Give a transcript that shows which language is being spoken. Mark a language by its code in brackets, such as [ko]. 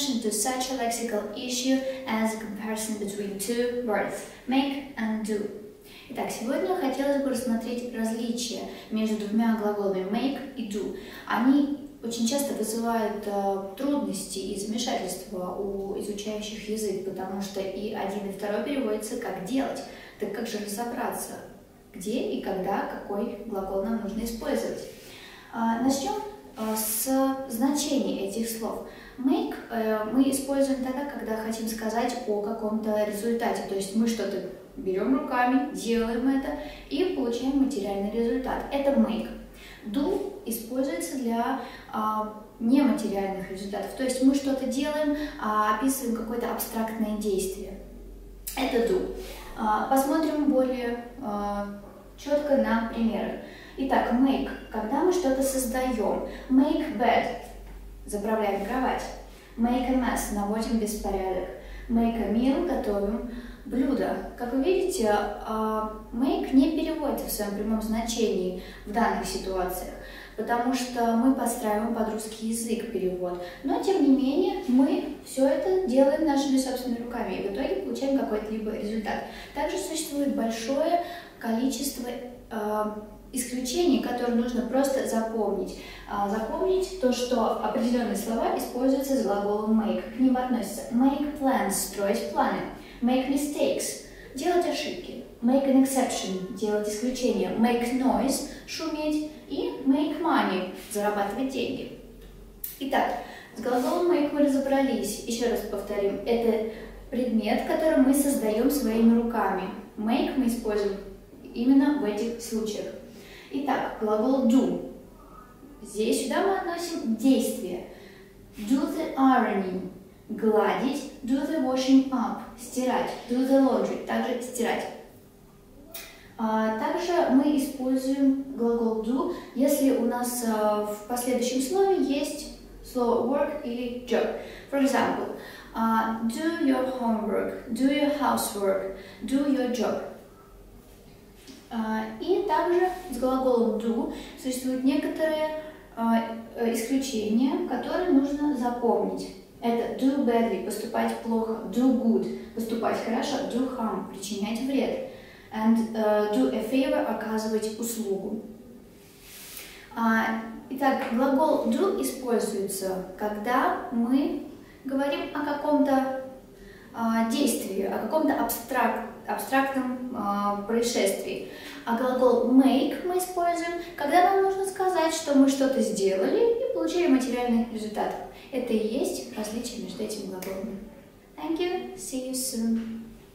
[en] such a lexical issue as a comparison between two words, make and do. [ru] Итак, сегодня хотелось бы рассмотреть различия между двумя глаголами make и do. Они очень часто вызывают трудности и замешательства у изучающих язык, потому что и один, и второй переводится как делать. Так как же разобраться, где и когда какой глагол нам нужно использовать? Начнем с значения этих слов. Make мы используем тогда, когда хотим сказать о каком-то результате, то есть мы что-то берем руками, делаем это и получаем материальный результат. Это make. Do используется для нематериальных результатов, то есть мы что-то делаем, описываем какое-то абстрактное действие. Это do. Посмотрим более четко на примеры. Итак, make, когда мы что-то создаем. [en] Make bed, [ru] заправляем кровать. [en] Make a mess, [ru] наводим беспорядок. [en] Make a meal, [ru] готовим блюдо. Как вы видите, make не переводится в своем прямом значении в данных ситуациях, потому что мы подстраиваем под русский язык перевод. Но, тем не менее, мы все это делаем нашими собственными руками и в итоге получаем какой-то либо результат. Также существует большое количество исключений, которые нужно просто запомнить. Запомнить то, что определенные слова используются с глаголом make. К ним относятся [en] make plans, [ru] строить планы. [en] Make mistakes, [ru] делать ошибки. [en] Make an exception, [ru] делать исключение. [en] Make noise, [ru] шуметь. И [en] make money, [ru] зарабатывать деньги. Итак, с глаголом make мы разобрались. Еще раз повторим, это предмет, который мы создаем своими руками. Make мы используем именно в этих случаях. Итак, глагол do. Здесь сюда мы относим действие. [en] Do the ironing, [ru] гладить. [en] Do the washing up, [ru] стирать. [en] Do the laundry, [ru] также стирать. Также мы используем глагол do, если у нас в последующем слове есть слово work или job. [en] For example, do your homework, do your housework, do your job. [ru] И также с глаголом do существуют некоторые исключения, которые нужно запомнить. Это [en] do badly, [ru] поступать плохо, [en] do good, [ru] поступать хорошо, [en] do harm, [ru] причинять вред, [en] and do a favor, [ru] оказывать услугу. Итак, глагол do используется, когда мы говорим о каком-то действии, о каком-то абстрактном происшествии. А глагол make мы используем, когда нам нужно сказать, что мы что-то сделали и получили материальный результат. Это и есть различие между этими глаголами. [en] Thank you. See you soon.